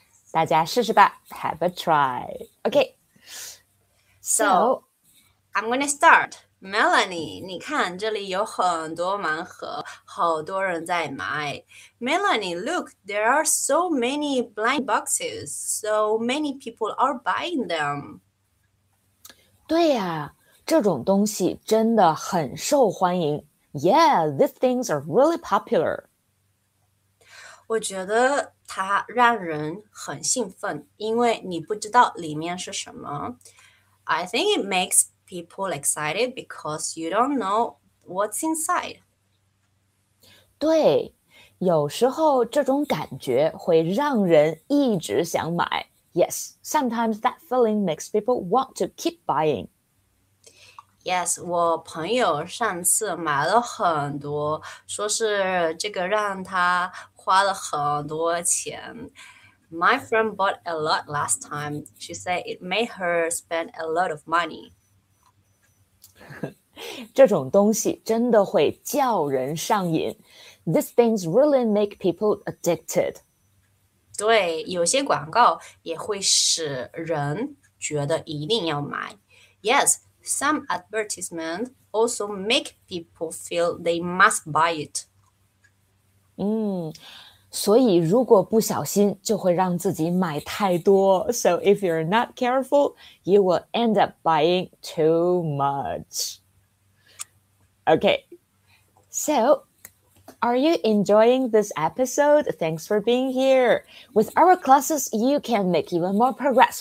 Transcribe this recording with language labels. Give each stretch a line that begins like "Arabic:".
Chinese: 大家试试吧 ，
English: Have a try. Okay. So, I'm gonna start.
Chinese: Melanie, 你看这里有很多盲盒，好多人在买。
English: Melanie, look, there are so many blind boxes. So many people are buying them.
Chinese: 对呀，这种东西真的很受欢迎。
English: Yeah, these things are really popular.
Chinese: 我觉得。它让人很兴奋，因为你不知道里面是什么。
English: I think it makes people excited because you don't know what's inside.
Chinese: 对，有时候这种感觉会让人一直想买。
English: Yes, sometimes that feeling makes people want to keep buying.
Chinese: Yes, 我朋友上次买了很多，说是这个让他花了很多钱。
English: My friend bought a lot last time. She said it made her spend a lot of money.
Chinese: 这种东西真的会叫人上瘾。
English: These things really make people addicted.
Chinese: 对，有些广告也会使人觉得一定要买。
English: Yes, some advertisements also make people feel they must buy it.
Chinese: 所以如果不小心就会让自己买太多。
English: So if you're not careful, you will end up buying too much. Okay, so are you enjoying this episode? Thanks for being here. With our classes, you can make even more progress.